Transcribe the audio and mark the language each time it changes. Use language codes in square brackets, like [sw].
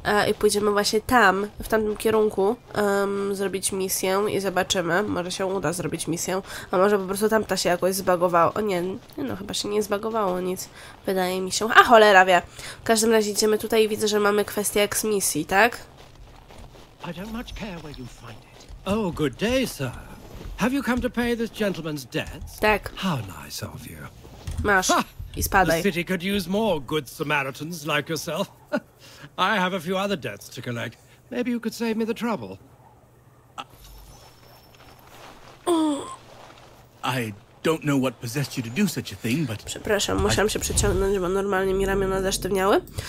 [pl] I pójdziemy właśnie tam, w tamtym kierunku, zrobić misję i zobaczymy. Może się uda zrobić misję, a może po prostu tamta się jakoś zbugowała. O nie, no chyba się nie zbugowało nic, wydaje mi się. A cholera wie. W każdym razie idziemy tutaj i widzę, że mamy kwestię eksmisji, tak? [en] I don't much care where you find it. Oh, good day, sir. Have you come to pay this gentleman's debts? [pl] Tak. [en] How nice of you. [pl] Masz. Ha! I spadaj. [en] The city could use more good Samaritans like yourself. I have a few other debts to collect. Maybe you could save me the trouble. I don't know what possessed you to do such a thing, but... [pl] Przepraszam, musiałam się przeciągnąć, bo normalnie mi ramiona zasztywniały.